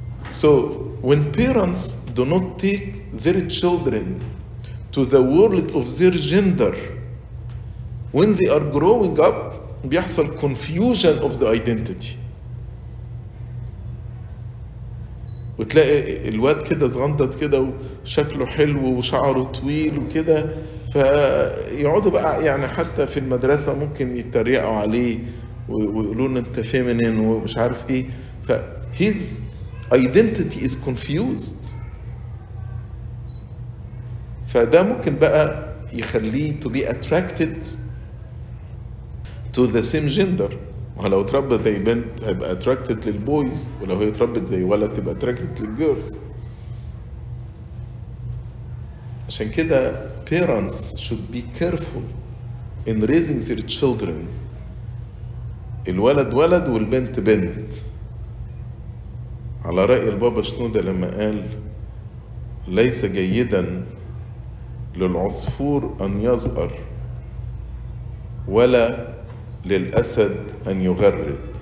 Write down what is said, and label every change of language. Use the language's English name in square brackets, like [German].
[English] So when parents do not take their children to the world of their gender, when they are growing up, [Arabic] بيحصل [English] confusion of the identity. [Arabic] وتلاقي الواد كده صغندت كده وشكله حلو وشعره طويل وكده, فيقعدوا بقى يعني حتى في المدرسة ممكن يتريقوا عليه ويقولون انت فيمينين ومش عارف ايه. [English] فهيز identity is confused. [Arabic] فده ممكن بقى يخليه [English] to be attracted to the same gender. [Arabic] ولو تربت زي بنت هيبقى [English] attracted [Arabic] للبويز, ولو هي تربت زي ولد تبقى attracted للجيرز. عشان كده [English] parents should be careful in raising their children. [Arabic] الولد ولد والبنت بنت. على رأي البابا شنودة لما قال ليس جيدا للعصفور أن يزأر ولا للأسد أن يغرد.